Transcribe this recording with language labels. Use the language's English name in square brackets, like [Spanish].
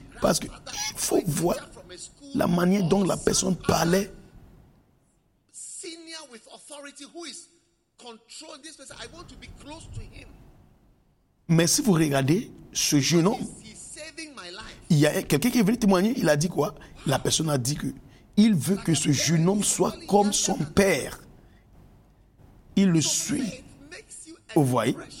[French] Parce qu'il faut voir la manière dont la personne parlait. [English] Senior with authority, who is controlling this person? I want to be close to him. [French] Mais si vous regardez ce jeune homme, il y a quelqu'un qui est venu témoigner, il a dit quoi? La personne a dit qu'il veut que ce jeune homme soit comme son père. Il le suit. Vous voyez?